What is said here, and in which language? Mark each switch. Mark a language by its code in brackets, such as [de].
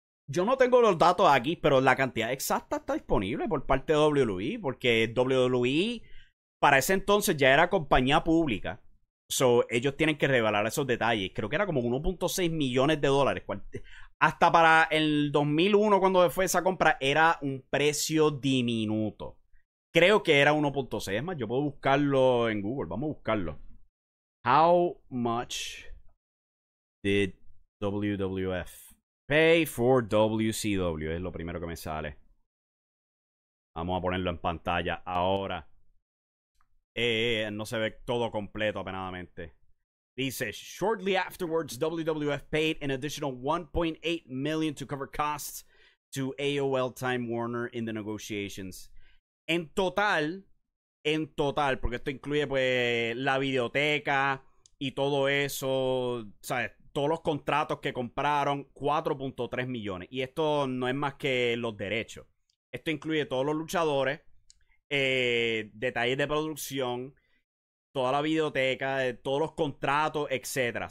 [es] Yo no tengo los datos aquí, pero la cantidad exacta está disponible por parte de WWE, porque WWE para ese entonces ya era compañía pública. So, ellos tienen que revelar esos detalles. Creo que era como $1.6 millones. Hasta para el 2001, cuando fue esa compra, era un precio diminuto. Creo que era 1.6. Es más, yo puedo buscarlo en Google. Vamos a buscarlo. [en] How much did WWF pay for WCW? [es] Es lo primero que me sale. Vamos a ponerlo en pantalla ahora. No se ve todo completo, apenadamente. [en] Dice, shortly afterwards, WWF paid an additional $1.8 million to cover costs to AOL Time Warner in the negotiations. [es] En total, porque esto incluye pues la videoteca y todo eso, ¿sabes? Todos los contratos que compraron, $4.3 millones. Y esto no es más que los derechos. Esto incluye todos los luchadores, detalles de producción, toda la videoteca, todos los contratos, etcétera.